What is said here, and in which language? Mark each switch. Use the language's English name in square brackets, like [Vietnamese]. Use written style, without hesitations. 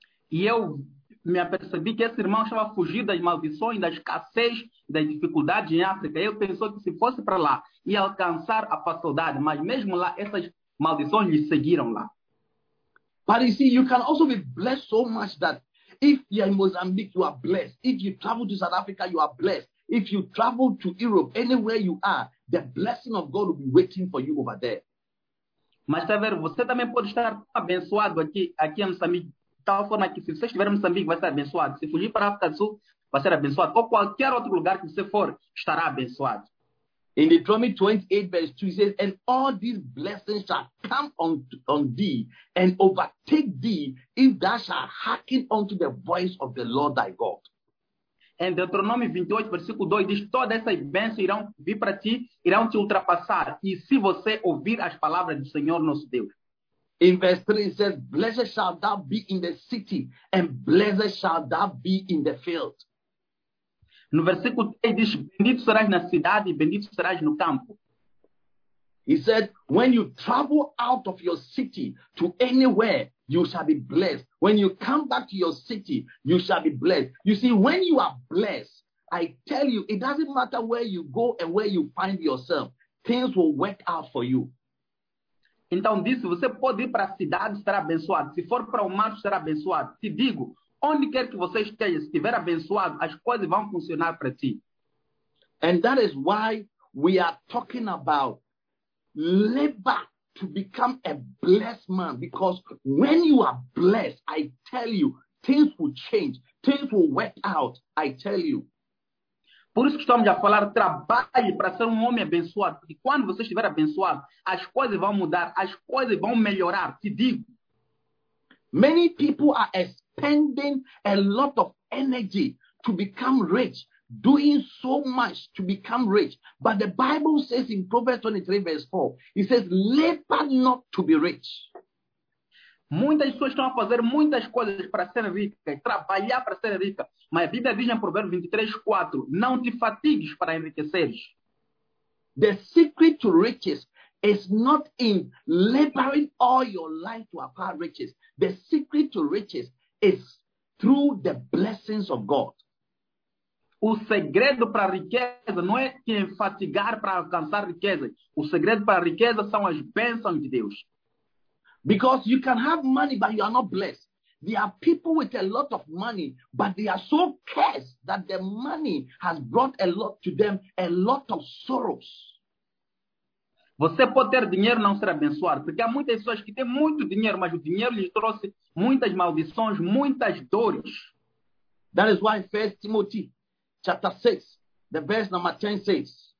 [Portuguese] E eu me apercebi que esse irmão estava fugindo das maldições, da escassez, das dificuldades em África. Ele pensou que se fosse para lá, ia alcançar a facilidade. Mas mesmo lá, essas maldições lhe seguiram lá. [English] But you see, you can also be blessed so much that if you are in Mozambique, you are blessed. If you travel to South Africa, you are blessed. If you travel to Europe, anywhere you are, the blessing of God will be waiting for you over there. [Portuguese] Mas, Severo, você também pode estar abençoado aqui em Moçambique. De tal forma que se você estiver em Moçambique, vai ser abençoado. Se fugir para a África do Sul, vai ser abençoado. Ou qualquer outro lugar que você for, estará abençoado. [English] In Deuteronomy 28, verse 2, it says, and all these blessings shall come on thee and overtake thee if thou shalt hearken unto the voice of the Lord thy God. [Portuguese] And Deuteronomy 28, versículo 2, diz, todas essas bênçãos irão vir para ti, irão te ultrapassar, e se você ouvir as palavras do Senhor nosso Deus. [English] In verse 3, it says, blessed shall thou be in the city, and blessed shall thou be in the field. [Portuguese] No versículo 3 diz, bendito serás na cidade e bendito serás no campo. [English] He said, when you travel out of your city to anywhere, you shall be blessed. When you come back to your city, you shall be blessed. You see, when you are blessed, I tell you, it doesn't matter where you go and where you find yourself. Things will work out for you. [Portuguese] Então disse, você pode ir para a cidade e será abençoado. Se for para o mar, será abençoado. Te digo, onde quer que você esteja, se estiver abençoado, as coisas vão funcionar para ti. [English] And that is why we are talking about labor to become a blessed man. Because when you are blessed, I tell you, things will change. Things will work out, I tell you. [Portuguese] Por isso que estamos a falar, trabalhe para ser um homem abençoado. E quando você estiver abençoado, as coisas vão mudar, as coisas vão melhorar, te digo. [English] Many people are expending a lot of energy to become rich, doing so much to become rich. But the Bible says in Proverbs 23, verse 4, it says, labor not to be rich. [Portuguese] Muitas pessoas estão a fazer muitas coisas para ser rica, trabalhar para ser rica. Mas a Bíblia diz em Provérbios 23, 4, não te fatigues para enriqueceres. [English] The secret to riches is not in laboring all your life to acquire riches. The secret to riches is through the blessings of God. [Portuguese] O segredo para a riqueza não é te enfatigar para alcançar riqueza. O segredo para a riqueza são as bênçãos de Deus. [English] Because you can have money, but you are not blessed. There are people with a lot of money, but they are so cursed that the money has brought a lot to them, a lot of sorrows. [Portuguese] Você pode ter dinheiro e não ser abençoado, porque há muitas pessoas que têm muito dinheiro, mas o dinheiro lhes trouxe muitas maldições, muitas dores. [English] That is why 1 Timothy chapter 6, the verse number 10 says.